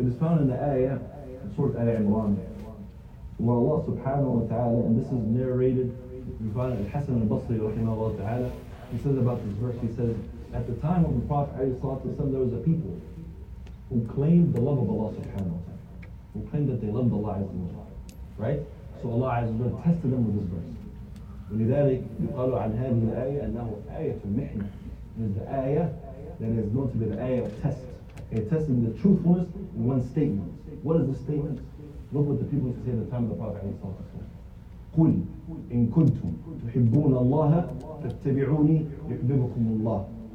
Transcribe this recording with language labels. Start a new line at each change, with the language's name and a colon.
English: It is found in the ayah, the Surah Ali Imran, where Allah subhanahu wa ta'ala, and this is narrated, we find Al-Hasan al-Basri rahimahullah ta'ala, he says about this verse, he says, at the time of the Prophet alayhi sallallahu alayhi wa sallam, there was a people who claimed the love of Allah subhanahu wa ta'ala, who claimed that they loved Allah azza wa jalla. Right? So Allah azza wa jalla tested them with this verse.
Arabic: ولذلك يقال عن هذه الآية أنه آية المحنة.
English: It is the ayah that is known to be the ayah of test. A test in the truthfulness in one statement. What is the statement? Look what the people used to say at the time of the Prophet
Arabic: عليه الصلاة والسلام. قل إن كنتم تحبون الله فاتبعوني يحببكم الله.